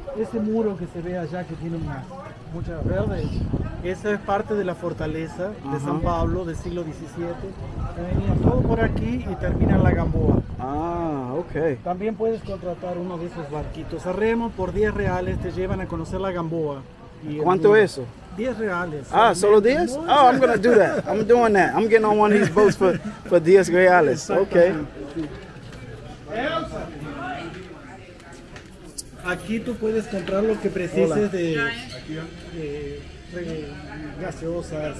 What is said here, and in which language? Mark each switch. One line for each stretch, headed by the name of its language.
Spanish: Ese muro que se ve allá que tiene muchas verdes, esa es parte de la fortaleza de San Pablo del siglo XVII. Venía todo por aquí y termina en la Gamboa. Ah, ok. También puedes contratar uno de esos barquitos. A remo por 10 reales te llevan a conocer la Gamboa. ¿Cuánto es eso? 10 reales. Ah, solo 10?
English: Oh, I'm going to do that. I'm doing that. I'm getting on one of these boats for 10 reales. Okay.
Spanish: Aquí tú puedes comprar lo que precises de gaseosas,